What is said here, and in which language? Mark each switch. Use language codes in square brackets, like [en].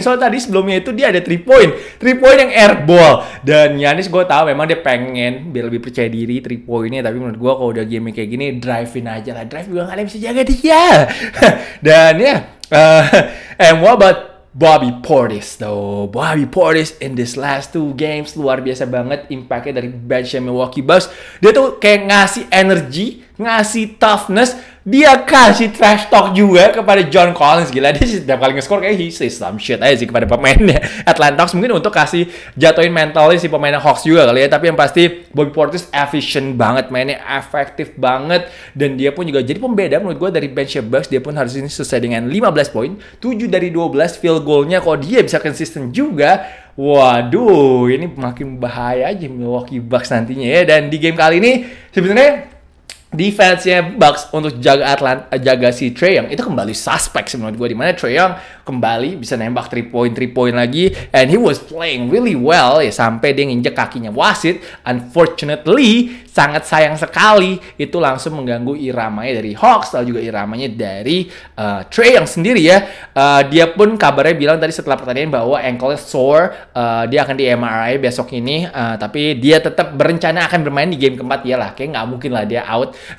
[id] Soalnya tadi sebelumnya itu dia ada 3 poin yang airball. Dan Giannis gue tahu memang dia pengen biar lebih percaya diri 3 poinnya, tapi menurut gue kalau udah game kayak gini, drive-in aja lah. Drive juga gak ada yang bisa jaga dia. Dan ya, [en] and what about Bobby Portis though? Bobby Portis in this last 2 games [id] luar biasa banget impact-nya dari bench Milwaukee Bucks. Dia tuh kayak ngasih energy, ngasih toughness, dia kasih trash talk juga kepada John Collins. Gila, dia setiap kali nge-score kayak [en] he say some shit [id] aja sih kepada pemainnya Atlanta Hawks. Mungkin untuk kasih jatuhin mentalnya si pemainnya Hawks juga kali ya. Tapi yang pasti Bobby Portis efficient banget, mainnya efektif banget. Dan dia pun juga jadi pembeda menurut gue dari bench Bucks. Dia pun harus ini selesai dengan 15 poin, 7 dari 12 field goal-nya. Kalau dia bisa konsisten juga, waduh, ini makin bahaya aja Milwaukee Bucks nantinya ya. Dan di game kali ini sebenarnya defense-nya Bucks untuk jaga Atlanta, jaga si Trae Young, itu kembali suspek sih menurut gue. Dimana Trae Young kembali bisa nembak 3 point lagi, [en] and he was playing really well [id] ya, sampai dia nginjek kakinya wasit. Unfortunately, sangat sayang sekali, itu langsung mengganggu iramanya dari Hawks, lalu juga iramanya dari Trae Young sendiri ya. Dia pun kabarnya bilang tadi setelah pertandingan bahwa ankle-nya sore, dia akan di MRI besok ini. Tapi dia tetap berencana akan bermain di game keempat. Iyalah, kayaknya nggak mungkin lah dia out.